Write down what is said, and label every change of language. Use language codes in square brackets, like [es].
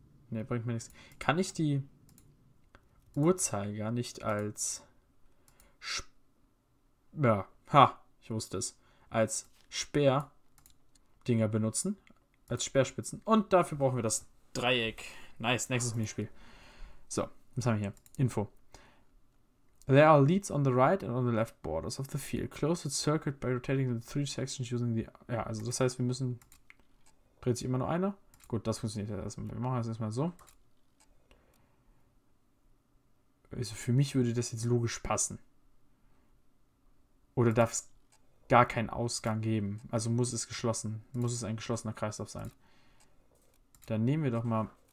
[de] Ne, bringt mir nichts. Kann ich die Uhrzeiger nicht als ja, ha, ich wusste es. Als Speerdinger benutzen. Als Speerspitzen. Und dafür brauchen wir das Dreieck. Nice, nächstes Minispiel. So, was haben wir hier? Info. [en] There are leads on the right and on the left borders of the field. Close the circuit by rotating the three sections using the. [de] Ja, also das heißt, wir müssen. Dreht sich immer nur einer. Gut, das funktioniert ja erstmal. Wir machen das erstmal so. Also für mich würde das jetzt logisch passen. Oder darf es gar keinen Ausgang geben? Also muss es geschlossen. Muss es ein geschlossener Kreislauf sein? Dann nehmen wir doch mal.